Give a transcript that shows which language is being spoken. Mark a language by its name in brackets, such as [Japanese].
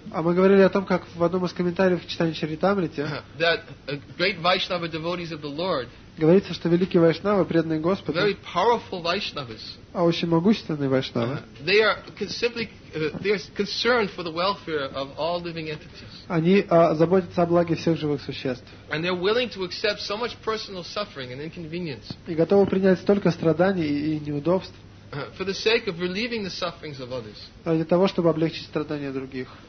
[Russian] А мы говорили о том, как в одном из комментариев в Чайтанья Чаритамрите [English] that great Vaishnava devotees of the Lord. [Russian] Говорится, что великие вайшнавы, преданные Господу. [English] Very powerful Vaishnavas. [Russian] А очень могущественные вайшнавы. [English] They are simply they are concerned for the welfare of all living entities. [Russian] Они заботятся о благе всех живых существ. [English] And they're willing to accept so much personal suffering and inconvenience. [Russian] И готовы принять столько страданий и неудобств. [English] For the sake of relieving the sufferings of others. [Russian] Ради того, чтобы облегчить страдания других.